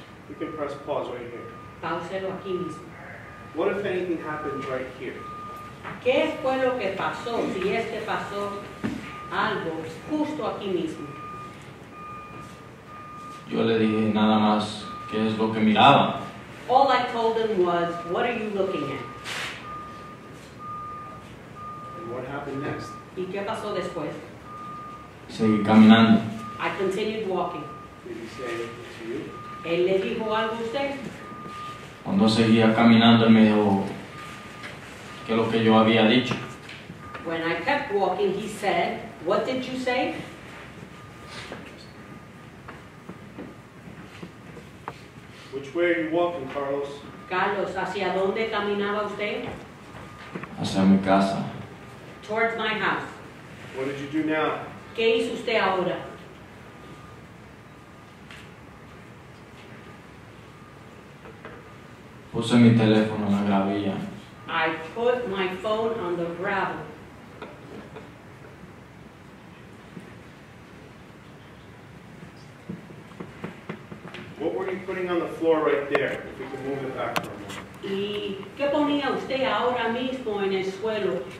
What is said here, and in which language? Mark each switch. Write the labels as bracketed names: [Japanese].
[English] You can press pause right here. [Spanish] Páuselo aquí mismo. [English] What if anything happened right here? [Spanish] ¿Qué fue lo que pasó si este pasó algo justo aquí mismo? Yo le dije nada más qué es lo que miraba. [English] All I told him was, what are you looking at? And what happened next? [Spanish] ¿Y qué pasó después? Seguí caminando. [English] I continued walking. Did he say anything to you? [Spanish] ¿Él le dijo algo a usted? Cuando seguía caminando, él me dijo qué es lo que yo había dicho. [English] When I kept walking, he said, what did you say? Which way are you walking, Carlos? [Spanish] Carlos, ¿hacia dónde caminaba usted? Hacia mi casa. [English] Towards my house. What did you do now? [Spanish] ¿Qué hizo usted ahora? Puse mi teléfono en la gravilla. [English] I put my phone on the gravel. What were you putting on the floor right there? If we could move it back for a moment. [Spanish] ¿Y qué ponía usted ahora mismo en el suelo?